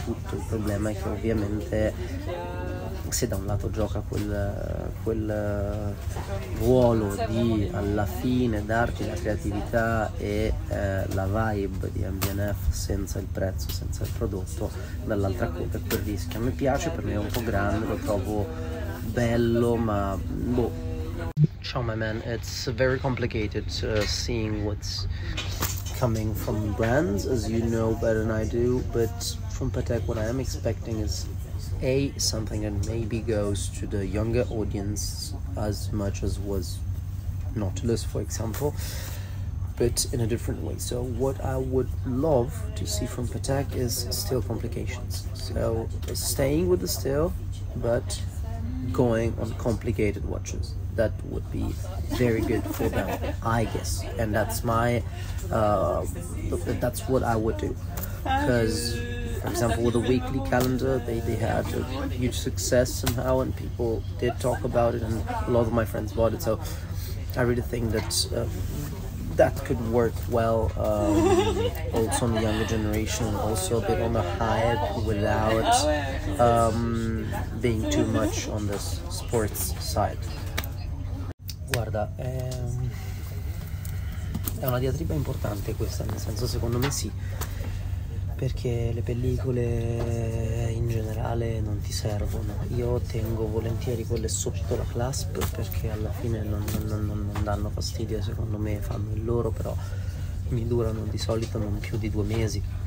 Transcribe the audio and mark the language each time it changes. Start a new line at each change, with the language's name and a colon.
Italian: Tutto il problema è che ovviamente, se da un lato gioca quel ruolo di alla fine darti la creatività e la vibe di M&F senza il prezzo, senza il prodotto, dall'altra parte quel rischio. Mi piace, per me è un po' grande, lo trovo bello, ma boh.
English: Ciao my man, it's very complicated seeing what's coming from brands, as you know better than I do, but from Patek what I am expecting is A, something that maybe goes to the younger audience as much as was Nautilus, for example, but in a different way. So what I would love to see from Patek is steel complications. So staying with the steel, but going on complicated watches. That would be very good for them, I guess. And that's my, that's what I would do. Because, for example, with the weekly calendar, they had a huge success somehow, and people did talk about it, and a lot of my friends bought it. So I really think that that could work well, also on the younger generation, also a bit on the hype without being too much on the sports side.
Italian: Guarda, è una diatriba importante questa, nel senso, secondo me sì, perché le pellicole in generale non ti servono. Io tengo volentieri quelle sotto la clasp, perché alla fine non danno fastidio, secondo me fanno il loro, però mi durano di solito non più di 2 mesi.